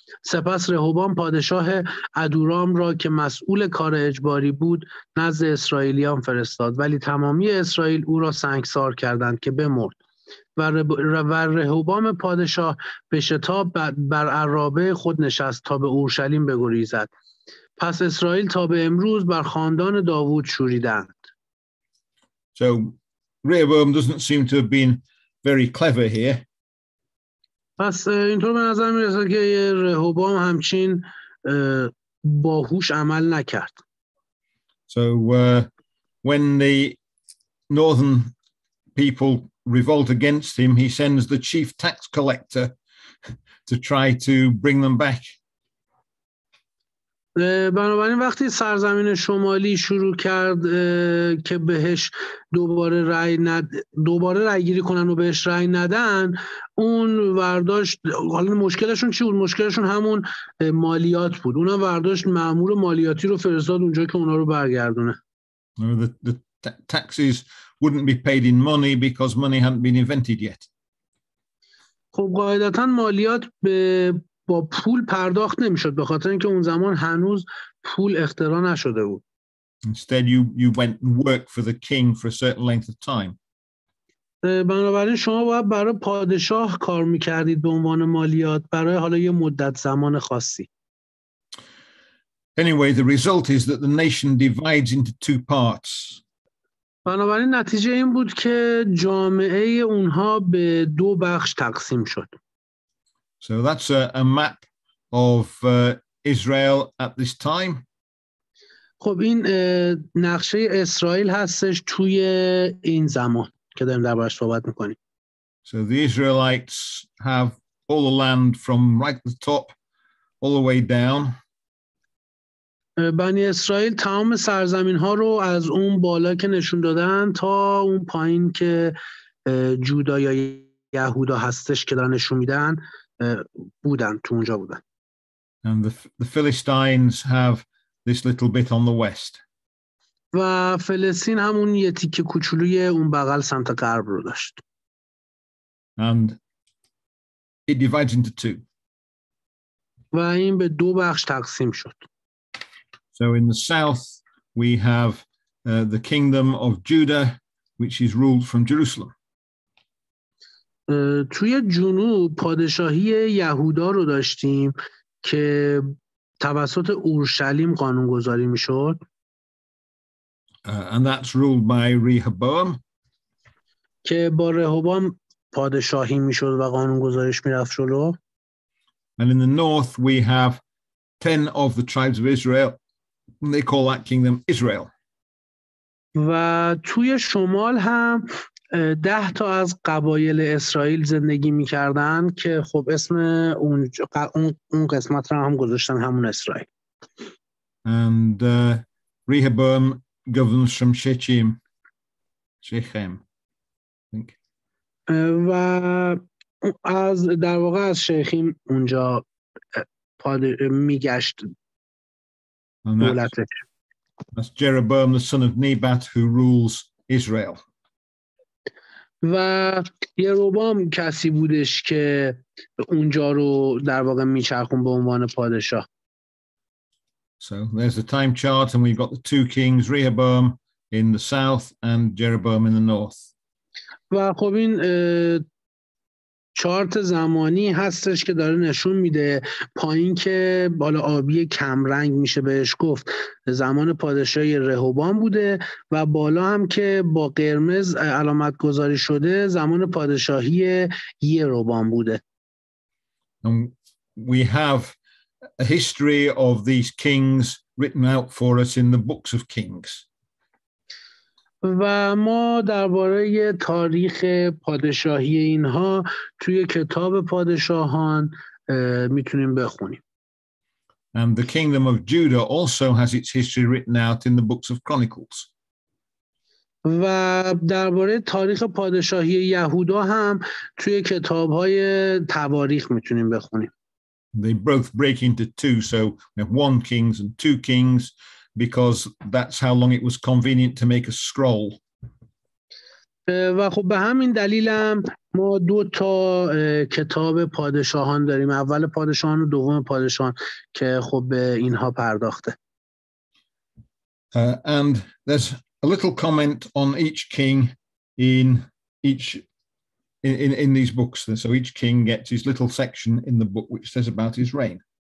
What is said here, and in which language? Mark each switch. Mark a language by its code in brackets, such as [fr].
[fa] سپس رهوبام پادشاه ادورام را که مسئول کار اجباری بود نزد اسرائیلیان فرستاد، ولی تمامی اسرائیل او را سنگسار کردند که بمرد. و رهوبام پادشاه به شتاب بر عرابه خود نشست تا به اورشلیم بگریزد. پس اسرائیل تا به امروز بر خاندان داوود شوریدند. [en] So Rehoboam doesn't seem to have been very clever here. [fa] پس اینطور به نظر میرسه که رهوبام همچین باهوش عمل نکرد. [en] So when the northern people revolt against him, he sends the chief tax collector to try to bring them back. [fa] بنابراین وقتی سرزمین شمالی شروع کرد که بهش دوباره رأی دوباره رأی گیری کنن و بهش رأی ندن، اون ورداشت، حالا مشکلشون چی بود؟ مشکلشون همون مالیات بود. اونا ورداشت مأمور مالیاتی رو فرستاد اونجا که اونا رو برگردونه. [en] The taxes wouldn't be paid in money because money hadn't been invented yet. [fa] خب قاعدتاً مالیات به با پول پرداخت نمیشد به خاطر اینکه اون زمان هنوز پول اختراع نشده بود. [en] Instead you went and worked for the king for a certain length of time. [fa] بنابراین شما باید برای پادشاه کار میکردید به عنوان مالیات برای حالا یه مدت زمان خاصی. [en] Anyway, the result is that the nation divides into two parts. [fa] بنابراین نتیجه این بود که جامعه اونها به دو بخش تقسیم شد. [en] So that's a map of Israel at this time. [fa] خب این نقشه اسرائیل هستش توی این زمان که داریم دربارش صحبت میکنیم. [en] So the Israelites have all the land from right the top all the way down. [fa] بنی اسرائیل تمام سرزمین ها رو از اون بالا که نشون دادن تا اون پایین که جودا یا یهودا هستش که دارن نشون میدن بودن، تو اونجا بودن. [en] And the Philistines have this little bit on the west. [fa] و فلسطین همون یه تیک کوچولوی اون بغل سمت غرب رو داشت. [en] And it divides into two. [fa] و این به دو بخش تقسیم شد. [en] So in the south we have the kingdom of Judah, which is ruled from Jerusalem. [fa] توی جنوب پادشاهی یهودا رو داشتیم که توسط اورشلیم قانون‌گذاری می‌شد. [en] And that's ruled by Rehoboam. [fa] که با رهوبام پادشاهی می‌شد و قانون‌گذاریش می‌رفت جلو. [en] And in the north we have 10 of the tribes of Israel. They call that kingdom Israel. [fa] و توی شمال هم 10 تا از قبایل اسرائیل زندگی می‌کردن که خب اسم اون قسمت رو هم گذاشتن همون اسرائیل. [en] And Rehoboam governs from Shechem. Shechem. [fa] و از در واقع از شیخیم اونجا میگشت. [en] And that's Jeroboam, the son of Nebat, who rules Israel. [fa] و یروبام کسی بودش که اونجا رو در واقع میچرخون به عنوان پادشاه. [en] So there's the time chart and we've got the two kings, Rehoboam in the south and Jeroboam in the north. [fa] و خب این چارت زمانی هستش که داره نشون میده پایین که بالا آبی کمرنگ میشه بهش گفت زمان پادشاهی رهوبام بوده و بالا هم که با قرمز علامت گذاری شده زمان پادشاهی یروبام بوده. [en] And we have a history of these kings written out for us in the books of kings. [fa] و ما درباره تاریخ پادشاهی اینها توی کتاب پادشاهان میتونیم بخونیم. [en] And the kingdom of Judah also has its history written out in the books of Chronicles. [fa] و درباره تاریخ پادشاهی یهودا هم توی کتاب‌های تواریخ میتونیم بخونیم. [en] They both break into two, so we have one kings and two kings. Because that's how long it was convenient to make a scroll. [fa] و خب به همین دلیلم ما دو تا کتاب پادشاهان داریم، اول پادشاهان و دوم پادشاهان که خب به اینها پرداخته. [en] And there's a little comment on each king in each in these books. So each king gets his little section in the book which says about his reign.